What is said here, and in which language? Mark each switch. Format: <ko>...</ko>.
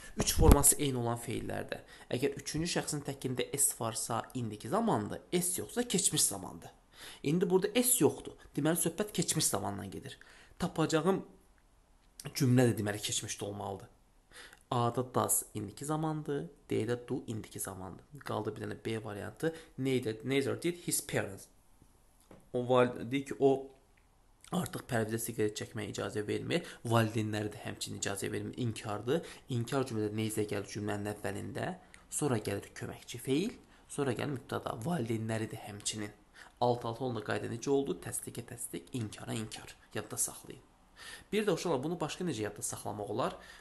<az>3 forması eyni olan fe'illərdə. Əgər 3-cü şəxsin təkində s varsa indiki zamandır, s yoxsa keçmiş zamandır. İndi burada S yoxdur. Deməli, söhbət keçmiş zamandan gedir. Tapacağım cümlə də deməli keçmişdə olmalıdır. A'da does indiki zamandır. D'de do indiki zamandır. Qaldı bir dənə B variantı.</az> <en>Neither did his parents.</en> <az>O deyir ki, o Artıq pərvizə siqaret çəkməyə icazə vermir. Valideynlər də həmçinin icazə vermir. İnkardır. İnkar cümlədə neyizə gəlir cümlənin əvvəlində? Sonra gəlir köməkçi feil. Sonra gəlir mübtəda. Valideynləri də həmçinin. Alt-alta onunla qayda necə oldu? Təsdiqə təsdiq, inkara inkar. Yadda saxlayın. Bir də uşaqlar bunu başqa necə yadda saxlamaq olar?</az>